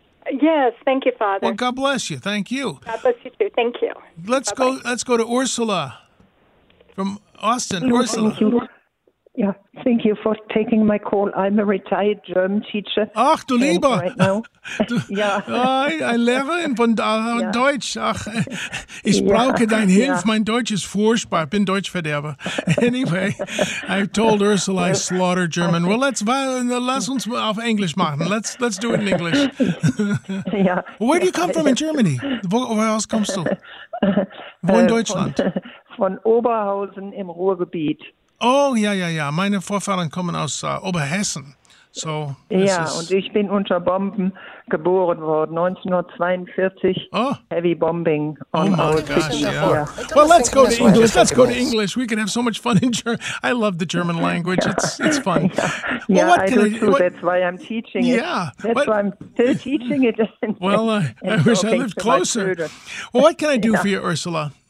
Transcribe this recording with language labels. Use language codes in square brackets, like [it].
[en] Yes. Thank you, Father. Well, God bless you. Thank you. God bless you, too. Thank you. Let's go to Ursula from Austin. Hello, Ursula. Thank you. Yeah, thank you for taking my call. I'm a retired German teacher. [de] Ach, du lieber! [en] Right now. Yeah. [de] I lehre in von Deutsch. Ach, ich brauche dein Hilfe. Mein Deutsch ist furchtbar. Ich bin Deutschverderber. [en] Anyway, I told Ursula I slaughter German. [de] Well, lass uns auf Englisch machen. [en] Let's do it in English. Yeah. Where do you come from in Germany? [de] Woher kommst du? Wo in Deutschland? Von Oberhausen im Ruhrgebiet. Oh, ja. Meine Vorfahren kommen aus Oberhessen. So, ja, und ich bin unter Bomben geboren worden, 1942. Oh. [en] Heavy bombing. Oh, my gosh, yeah. Well, let's go to English. Let's go to English. We can have so much fun in German. I love the German language. Yeah. It's fun. Yeah, well, what I do, too. That's why I'm teaching it. Yeah. That's why I'm still teaching it. Well, I wish I lived closer. Well, what can I do for you, Ursula?